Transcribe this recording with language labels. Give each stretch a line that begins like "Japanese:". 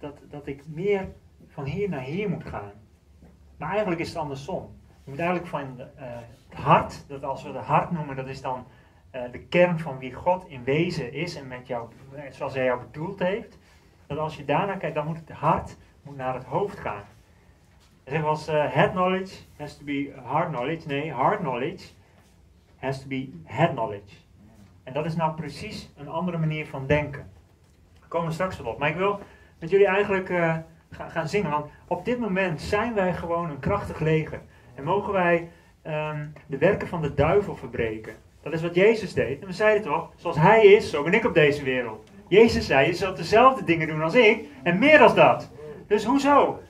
Dutch: Dat ik meer van hier naar hier moet gaan. Maar eigenlijk is het andersom. Je moet eigenlijk van het hart, dat als we het hart noemen, dat is dan de kern van wie God in wezen is en met jou, zoals hij jou bedoeld heeft. Dat als je daarnaar kijkt, dan moet het hart moet naar het hoofd gaan. Zeg als
English: head knowledge has to be heart knowledge. Nee, heart knowledge has to be head knowledge.
Dutch: En dat is nou precies een andere manier van denken. Daar komen we straks wel op. Maar ik wil met jullie eigenlijk gaan zingen. Want op dit moment zijn wij gewoon een krachtig leger. En mogen wij de werken van de duivel verbreken. Dat is wat Jezus deed. En we zeiden toch, zoals hij is, zo ben ik op deze wereld. Jezus zei, je zult dezelfde dingen doen als ik. En meer dan dat. Dus hoezo?